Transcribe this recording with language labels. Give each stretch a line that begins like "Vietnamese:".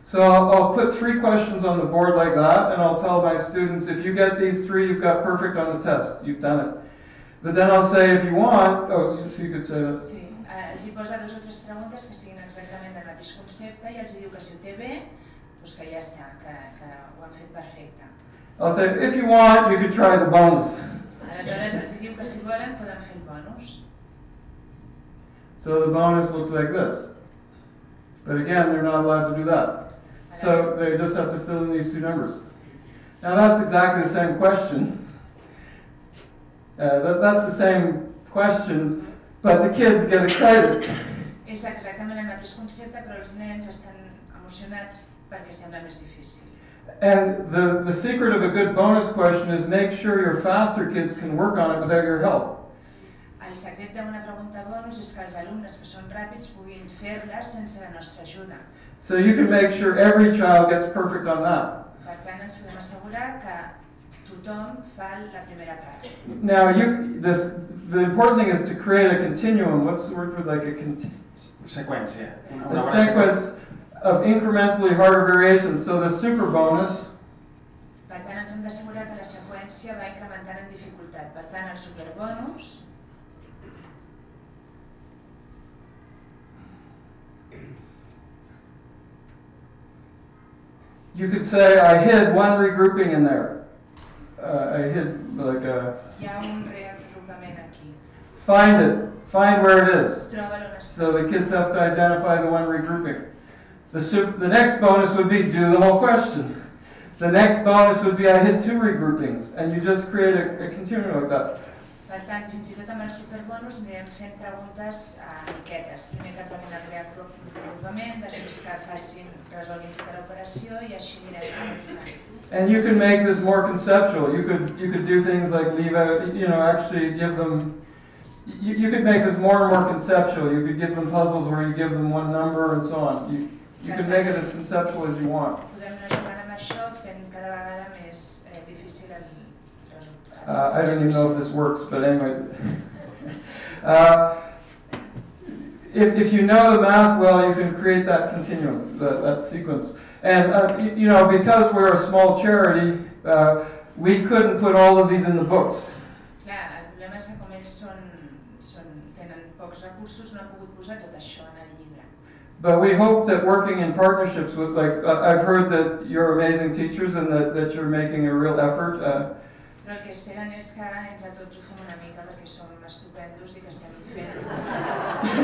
English: So I'll put three questions on the board like that, and I'll tell my students, if you get these three, you've got perfect on the test. You've done it. But then I'll say, if you want, oh, so you could say that.
Catalan: Sí, els hi posa dues o tres preguntes que siguin exactament del mateix concepte i els hi diu que si ho té bé, doncs que ja està, que ho han fet perfecte.
English: I'll say, if you want, you could try the bonus.
Catalan: Aleshores, els hi diu que si volen, poden fer el bonus.
English: So the bonus looks like this. But again, they're not allowed to do that. So they just have to fill in these two numbers. Now that's exactly the same question. That's the same question, but the kids get excited.
Catalan: És exactament el mateix concepte, però els nens estan emocionats perquè sembla més difícil.
English: And the secret of a good bonus question is make sure your faster kids can work on it without your help.
Catalan: El secret d'una pregunta bonus és que els alumnes que són ràpids puguin fer-la sense la nostra ajuda.
English: So you can make sure every child gets perfect on that.
Catalan: Per tant, ens podem assegurar que tothom fa la primera part.
English: Now, the important thing is to create a continuum. What's the word for like a
Catalan: seqüència.
English: A sequence of incrementally harder variations. So the super bonus.
Catalan: Per tant, ens hem d'assegurar que la seqüència va incrementant en dificultat. Per tant, el super bonus.
English: You could say, I hid one regrouping in there. I hid like a...
Catalan: Hi ha un reagrupament aquí.
English: Find it. Find where it is.
Catalan: Troba-lo.
English: So the kids have to identify the one regrouping. The next bonus would be, do the whole question. The next bonus would be, I hid two regroupings. And you just create a continuum like that.
Catalan: Per tant, fins i tot amb el superbonus anirem fent preguntes miquetes. Primer que trobin el reagrupament, després que facin, resolguin tota l'operació i així anirem avançant.
English: And you can make this more conceptual. You could do things like leave out, you know, actually give them, you could make this more and more conceptual. You could give them puzzles where you give them one number and so on. You can make it as conceptual as you want.
Catalan: Podem anar jugant amb això fent cada vegada més difícil el resultat.
English: I don't even know if this works, but anyway. If you know the math well, you can create that continuum, that sequence. And, you know, because we're a small charity, we couldn't put all of these in the books.
Catalan: Clar, el problema és que com ells tenen pocs recursos, no han pogut posar tot això en el llibre.
English: But we hope that working in partnerships with, like, I've heard that you're amazing teachers and that you're making a real effort.
Catalan: Però el que esperen és que entre tots ho fem una mica perquè som estupendos i que estem fent.